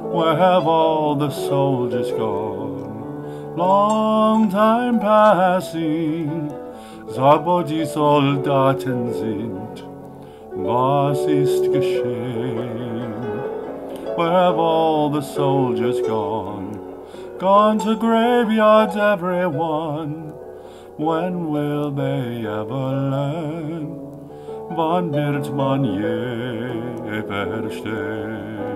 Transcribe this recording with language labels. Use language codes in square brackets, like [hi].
[en] Where have all the soldiers gone? Long time passing. [de] Sag, wo die Soldaten sind. Was ist geschehen? [en] Where have all the soldiers gone? Gone to graveyards, everyone. When will they ever learn? [de] Wann wird man je verstehen?